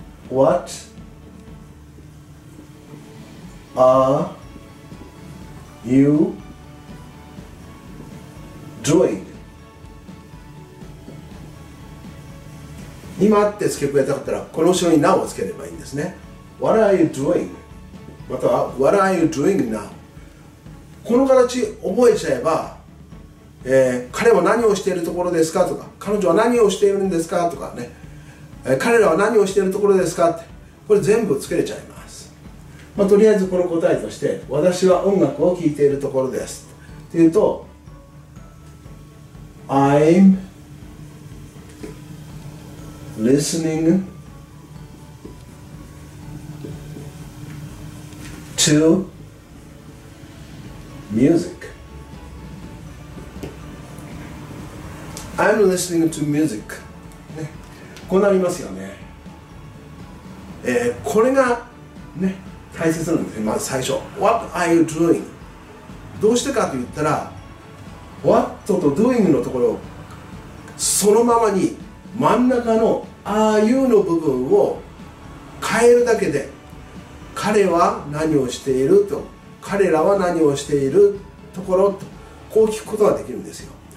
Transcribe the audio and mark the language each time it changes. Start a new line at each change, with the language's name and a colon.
English: What are you doing?
Japanese: 今って付け加えたかったら、この後ろに Now をつければいいんですね。
English: What are you doing? または What are you doing now?
Japanese: この形覚えちゃえば、彼は何をしているところですかとか、彼女は何をしているんですかとかね、彼らは何をしているところですかって、これ全部つけれちゃいます。まあ、とりあえずこの答えとして、私は音楽を聴いているところですっていうと、
English: I'm listening to music I'm listening to music、ね、こうなりますよね。
Japanese: これがね、大切なんですね。
English: まず最初 What are you doing?
Japanese: どうしてかと言ったら、 What と doing のところをそのままに、真ん中の Are you の部分を変えるだけで、彼は何をしていると、彼らは何をしているところと、こう聞くことができるんですよ。